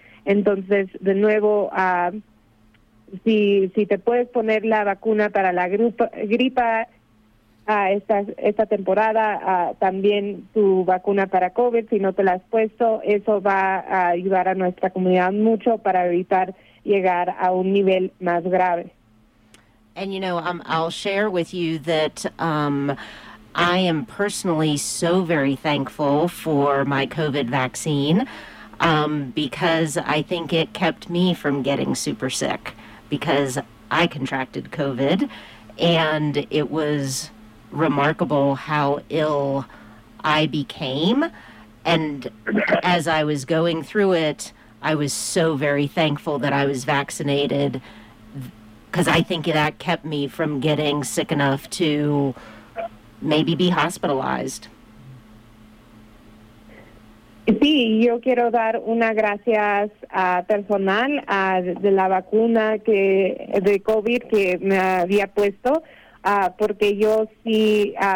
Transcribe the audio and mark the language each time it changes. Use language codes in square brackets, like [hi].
[es] Entonces, de nuevo, si te puedes poner la vacuna para la gripa esta temporada, también tu vacuna para COVID, si no te la has puesto, eso va a ayudar a nuestra comunidad mucho para evitar llegar a un nivel más grave. [en] And, you know, I'll share with you that I am personally so very thankful for my COVID vaccine because I think it kept me from getting super sick because I contracted COVID. And it was remarkable how ill I became. And as I was going through it, I was so very thankful that I was vaccinated, because I think that kept me from getting sick enough to maybe be hospitalized. [es] Sí, yo quiero dar una gracias personal de la vacuna que de COVID que me había puesto, porque yo sí